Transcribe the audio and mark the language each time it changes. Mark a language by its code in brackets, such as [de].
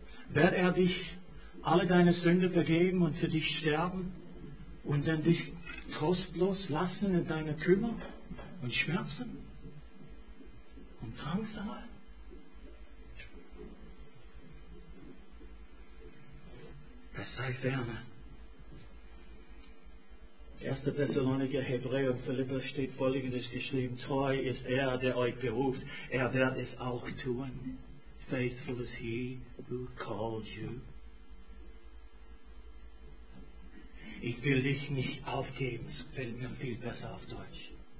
[de] Wird er dich alle deine Sünde vergeben und für dich sterben und dann dich trostlos lassen in deine Kümmer und Schmerzen und Drangsal? Das sei ferne. 1. Thessaloniker, Hebräer und Philipper steht folgendes geschrieben: Treu ist er, der euch beruft. Er wird es auch tun. [en] Faithful is he who called you. [de] Ich will dich nicht aufgeben. Es fällt mir viel besser auf Deutsch.